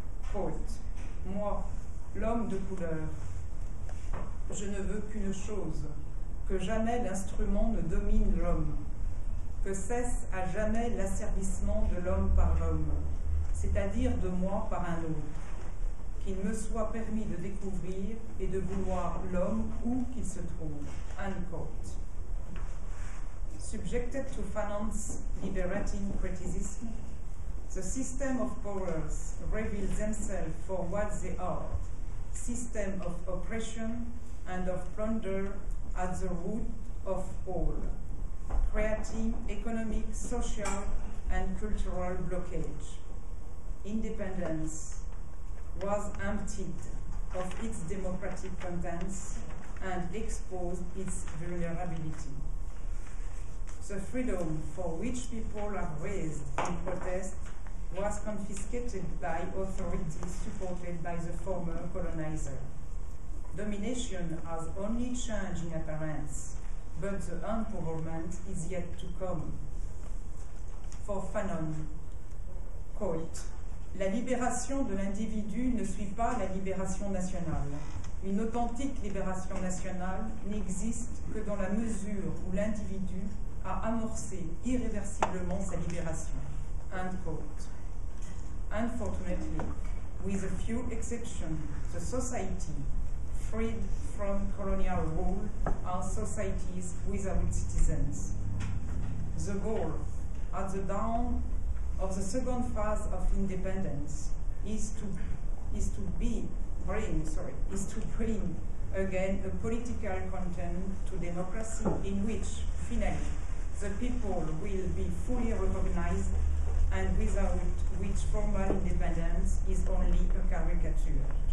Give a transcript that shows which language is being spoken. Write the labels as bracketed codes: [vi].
[fr] Quote, moi, l'homme de couleur, je ne veux qu'une chose, que jamais l'instrument ne domine l'homme, que cesse à jamais l'asservissement de l'homme par l'homme, c'est-à-dire de moi par un autre. Qu'il me soit permis de découvrir et de vouloir l'homme où qu'il se trouve. Unquote. [en] Subjected to Fanon's liberating criticism, the system of powers reveals themselves for what they are, system of oppression and of plunder at the root of all, creating economic, social, and cultural blockage. Independence was emptied of its democratic contents and exposed its vulnerability. The freedom for which people have raised in protest was confiscated by authorities supported by the former colonizer. Domination has only changed in appearance, but the empowerment is yet to come. For Fanon, quote, [fr] la libération de l'individu ne suit pas la libération nationale. Une authentique libération nationale n'existe que dans la mesure où l'individu a amorcé irréversiblement sa libération. [en] End quote. Unfortunately, with a few exceptions, the society freed from colonial rule are societies without citizens. The goal at the dawn of the second phase of independence is to bring again a political content to democracy in which finally the people will be fully recognized and without which formal independence is only a caricature.